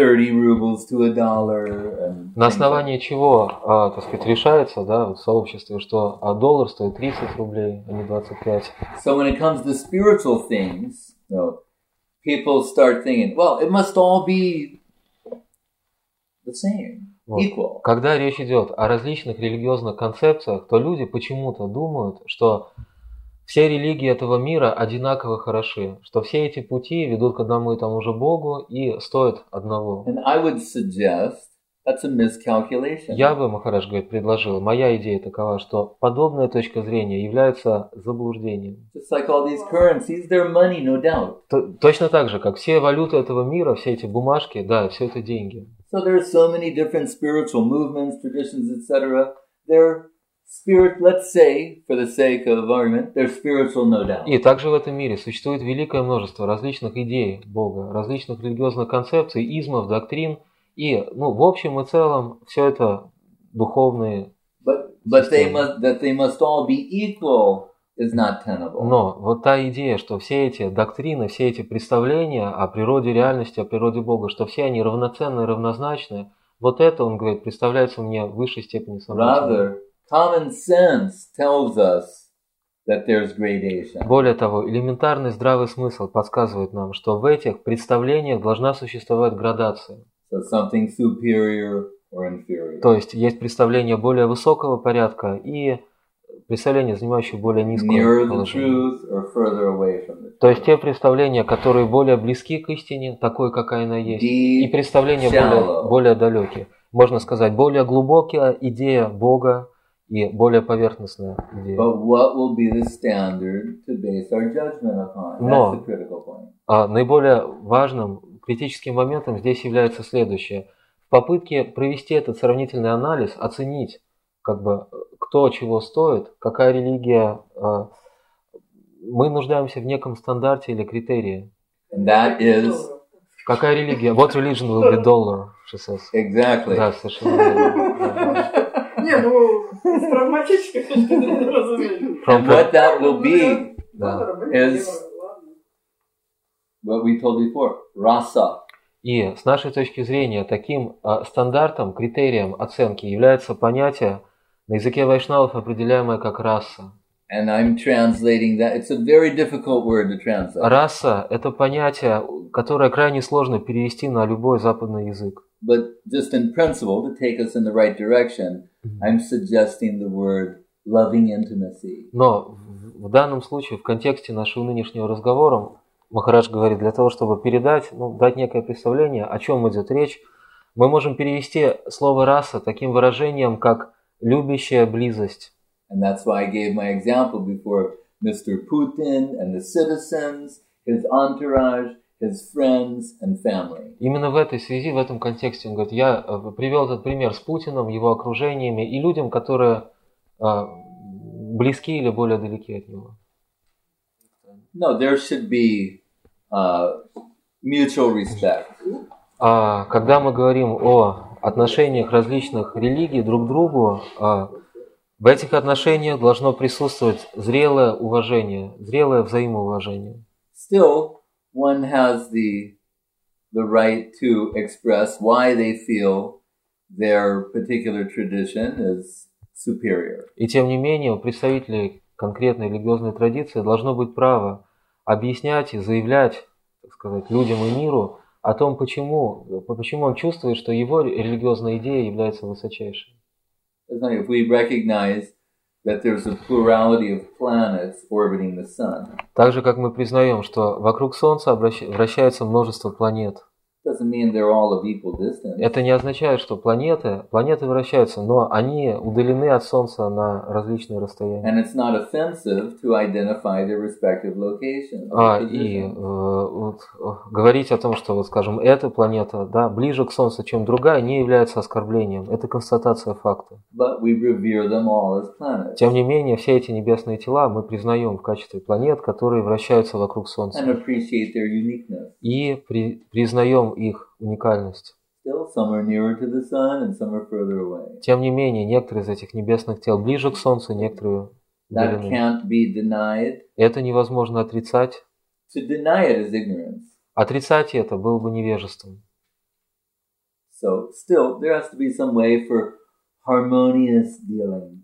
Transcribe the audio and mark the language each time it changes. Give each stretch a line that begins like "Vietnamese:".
Russian: На основании чего, так сказать, решается, да, в сообществе, что доллар стоит 30 рублей, а не 25.
English: So when it comes to spiritual things, people start thinking, well, it must all be the same.
Russian: Вот. Когда речь идет о различных религиозных концепциях, то люди почему-то думают, что все религии этого мира одинаково хороши, что все эти пути ведут к одному и тому же Богу и стоят одного.
English: And I would suggest that's a miscalculation.
Russian: Я бы, Махарадж говорит, предложил, моя идея такова, что подобная точка зрения является заблуждением.
English: Just like all these currencies, they're money, no doubt.
Russian: Точно так же, как все валюты этого мира, все эти бумажки, да, все это деньги.
English: So there are so many different spiritual movements, traditions, etc. They're spirit, let's say, for the sake of argument, they're spiritual, no doubt.
Russian: И также в этом мире существует великое множество различных идей Бога, различных религиозных концепций, измов, доктрин, и, ну, в общем и целом, все это духовные.
English: But they must all be equal is not tenable.
Russian: Но вот та идея, что все эти доктрины, все эти представления о природе реальности, о природе Бога, что все они равноценны, равнозначны, вот это, он говорит, представляется мне в высшей степени сомнительным.
English: Common sense tells us that there's gradation.
Russian: Более того, элементарный здравый смысл подсказывает нам, что в этих представлениях должна существовать градация.
English: So something superior or inferior.
Russian: То есть есть представление более высокого порядка и представление, занимающее более низкое положение. То есть те представления, которые более близки к истине, такой, какая она есть, и представления более далекие. Можно сказать, более глубокая идея Бога и более поверхностная идея.
English: But what will be the standard to base our judgment upon? That's
Russian: Но,
English: the critical point.
Russian: Наиболее важным критическим моментом здесь является следующее. В попытке провести этот сравнительный анализ, оценить, как бы, кто чего стоит, какая религия, мы нуждаемся в неком стандарте или критерии.
English: And that is...
Russian: Какая религия?
English: What religion will be dollar, she says. Exactly.
Russian: Да, совершенно верно.
English: What that will be is what we told before, rasa.
Russian: И с нашей точки зрения таким стандартом, критерием оценки является понятие на языке вайшнавов, определяемое как раса.
English: And I'm translating that. It's a very difficult word to translate.
Russian: Раса – это понятие, которое крайне сложно перевести на любой западный язык.
English: But just in principle, to take us in the right direction, I'm suggesting the word loving intimacy.
Russian: Но в данном случае, в контексте нашего нынешнего разговора, Махарадж говорит, для того, чтобы передать, ну, дать некое представление, о чем идет речь, мы можем перевести слово «раса» таким выражением, как «любящая близость».
English: And that's why I gave my example before of Mr. Putin and the citizens, his entourage, his friends and family.
Russian: Именно в этой связи, в этом контексте, он говорит, я привел этот пример с Путиным, его окружениями и людям, которые близки или более далеки от него.
English: No, there should be mutual respect.
Russian: Когда мы говорим о отношениях различных религий друг к другу, в этих отношениях должно присутствовать зрелое уважение, зрелое взаимоуважение.
English: Still, one has the right to express why they feel their particular tradition is superior.
Russian: И тем не менее, у представителей конкретной религиозной традиции должно быть право объяснять и заявлять, так сказать, людям и миру о том, почему он чувствует, что его религиозная идея является высочайшей.
English: It's like if we recognize that there's a plurality of planets orbiting the sun.
Russian: Так же, как мы признаем, что вокруг Солнца вращается множество планет.
English: Doesn't mean they're all of equal distance.
Russian: Это не означает, что планеты вращаются, но они удалены от Солнца на различные расстояния.
English: And it's not offensive to identify their respective locations.
Russian: Говорить о том, что, вот, скажем, эта планета, да, ближе к Солнцу, чем другая, не является оскорблением. Это констатация факта.
English: But we revere them all as planets.
Russian: Тем не менее, все эти небесные тела мы признаем в качестве планет, которые вращаются вокруг Солнца.
English: And appreciate their uniqueness.
Russian: И признаем их уникальность.
English: Still, some are nearer to the sun and some are further away.
Russian: Тем не менее, некоторые из этих небесных тел ближе к Солнцу, некоторые далеко.
English: That can't be denied.
Russian: Это невозможно отрицать.
English: To deny it is ignorance.
Russian: Отрицать это было бы невежеством.
English: So, still, there has to be some way for harmonious dealing.